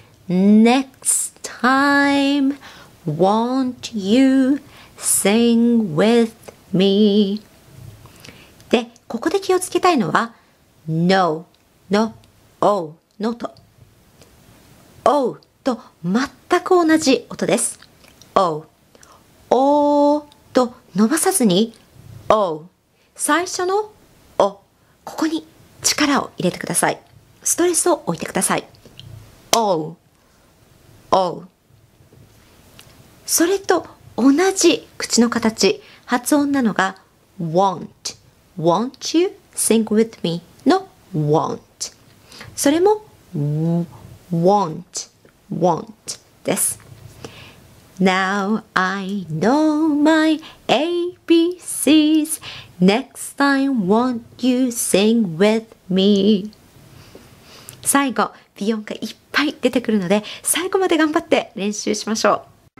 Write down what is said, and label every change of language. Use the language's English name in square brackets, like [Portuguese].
[English] Next time won't you sing with me。 [Japanese] で、ここで気をつけたいのは No の O の音、 O と全く同じ音です。 O O と伸ばさずに O、 最初の O、 ここに力を入れてください。ストレスを置いてください。 O O、 それと同じ口の形発音なのが Won't [English] Won't you sing with me [Japanese] の Won't、 それも Won't Won't です。 [English] Now I know my ABC's Next time won't you sing with me。 [Japanese] 最後、ビヨンがいっぱい出てくるので最後まで頑張って練習しましょう。